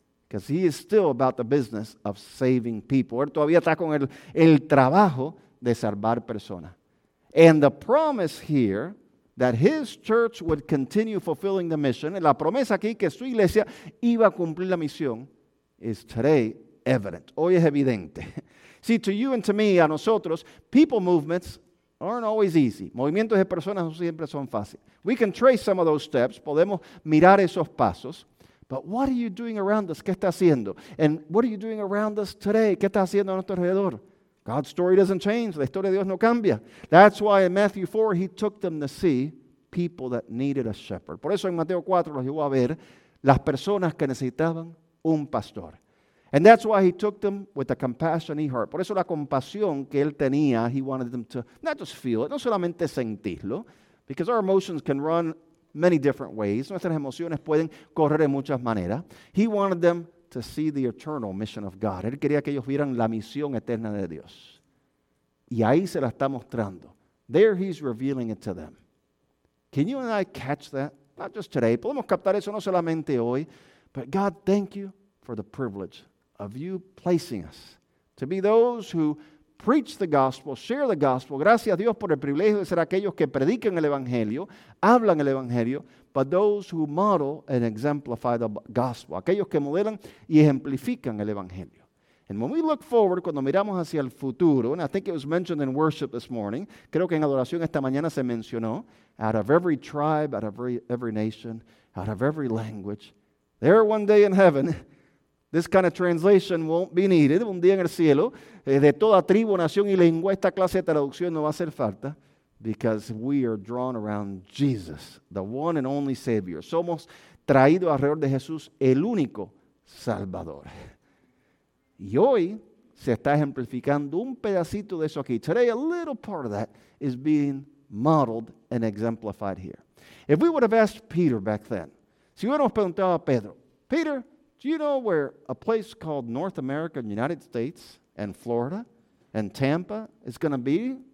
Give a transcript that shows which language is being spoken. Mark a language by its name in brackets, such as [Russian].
[English] Because he is still about the business of saving people. [Spanish] Él todavía está con el trabajo de salvar personas. [English] And the promise here that his church would continue fulfilling the mission, [Spanish] la promesa aquí que su iglesia iba a cumplir la misión, [English] is today evident. [Spanish] Hoy es evidente. [English] See, to you and to me, [Spanish] a nosotros, [English] people movements aren't always easy. [Spanish] Movimientos de personas no siempre son fáciles. [English] We can trace some of those steps. Podemos mirar esos pasos. But what are you doing around us? [Spanish] ¿Qué está haciendo? [English] And what are you doing around us today? [Spanish] ¿Qué está haciendo a nuestro alrededor? [English] God's story doesn't change. [Spanish] La historia de Dios no cambia. [English] That's why in Matthew 4, he took them to see people that needed a shepherd. [Spanish] Por eso en Mateo 4 los llevó a ver las personas que necesitaban un pastor. [English] And that's why he took them with a compassionate heart. [Spanish] Por eso la compasión que él tenía, [English] he wanted them to not just feel it, [Spanish] no solamente sentirlo, [English] because our emotions can run many different ways. [Spanish] Nuestras emociones pueden correr en muchas maneras. [English] He wanted them to see the eternal mission of God. [Spanish] Él quería que ellos vieran la misión eterna de Dios. Y ahí se la está mostrando. [English] There he's revealing it to them. Can you and I catch that? Not just today. [Spanish] Podemos captar eso no solamente hoy. [English] But God, thank you for the privilege of you placing us to be those who preach the gospel, share the gospel. [Spanish] Gracias a Dios por el privilegio de ser aquellos que predican el evangelio, [English] hablan el evangelio, but those who model and exemplify the gospel, [Spanish] aquellos que modelan y ejemplifican el evangelio. [English] And when we look forward, [Spanish] cuando miramos hacia el futuro, [English] and I think it was mentioned in worship this morning, [Spanish] creo que en adoración esta mañana se mencionó, [English] out of every tribe, out of every nation, out of every language, there one day in heaven, this kind of translation won't be needed. [Spanish] Un día en el cielo, de toda tribu, nación y lengua, esta clase de traducción no va a hacer falta. [English] Because we are drawn around Jesus, the one and only Savior. [Spanish] Somos traídos alrededor de Jesús, el único Salvador. Y hoy se está ejemplificando un pedacito de eso aquí. [English] Today, a little part of that is being modeled and exemplified here. If we would have asked Peter back then, [Spanish] si hubiéramos preguntado a Pedro, [English] Peter, do you know where a place called North America and United States and Florida and Tampa is going to be?